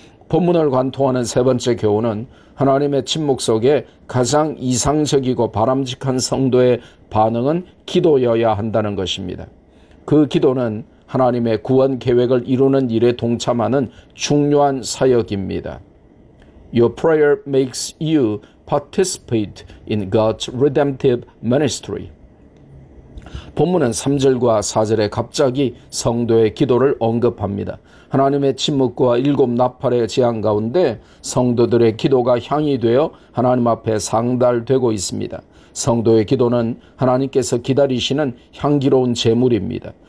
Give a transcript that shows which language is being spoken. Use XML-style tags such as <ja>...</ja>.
<ko>본문을 관통하는 세 번째 교훈은 하나님의 침묵 속에 가장 이상적이고 바람직한 성도의 반응은 기도여야 한다는 것입니다. 그 기도는 하나님의 구원 계획을 이루는 일에 동참하는 중요한 사역입니다.</ko> <en>Your prayer makes you participate in God's redemptive ministry.</en> <ko>본문은 3절과 4절에 갑자기 성도의 기도를 언급합니다. 하나님의 침묵과 일곱 나팔의 재앙 가운데 성도들의 기도가 향이 되어 하나님 앞에 상달되고 있습니다. 성도의 기도는 하나님께서 기다리시는 향기로운 제물입니다.</ko>